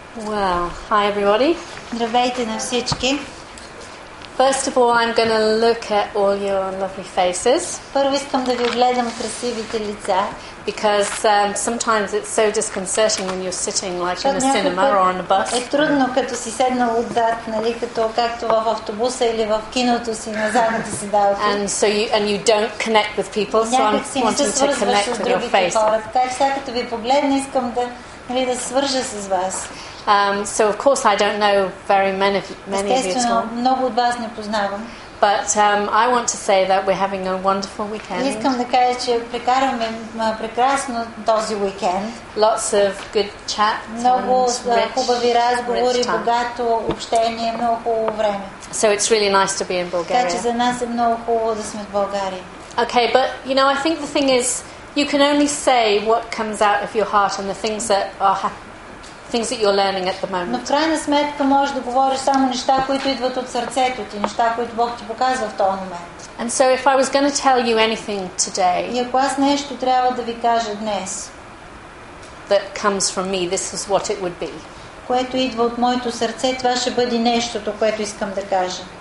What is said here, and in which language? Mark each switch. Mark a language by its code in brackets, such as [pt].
[en] Well, hi everybody. [bg] Здравейте на всички. [en] First of all, I'm going to look at all your lovely faces. [bg] Първо искам да ви гледам красивите лица. [en] Because sometimes it's so disconcerting when you're sitting like in a cinema or on a bus. [bg] Е трудно като си седнал отдат, нали, като както в автобуса или в киното си на задната седалка. [en] And you don't connect with people, so I'm wanting to connect with your face. [bg] Как сега като ви погледна, искам да, нали, да свържа с вас. [en] So of course I don't know very many of you at all. [bg] Много от вас не познавам. [en] But I want to say that we're having a wonderful weekend. [bg] Искам да кажа, че прекараме прекрасно този уикенд. [en] Lots of good chat. [bg] Много хубави разговори, богато общение, много хубаво време. [en] So it's really nice to be in Bulgaria. [bg] Така че за нас е много хубаво да сме в България. [en] Okay, but you know, I think the thing is, you can only say what comes out of your heart and the things that are happening. Things that you're learning at the moment. [bg] Но в крайна сметка можеш да говориш само неща, които идват от сърцето ти, неща, които Бог ти показва в този момент. [en] And so if I was going to tell you anything today, [bg] и ако аз нещо трябва да ви кажа днес, [en] that comes from me, this is what it would be. [bg] Което идва от моето сърце, това ще бъде нещото, което искам да кажа.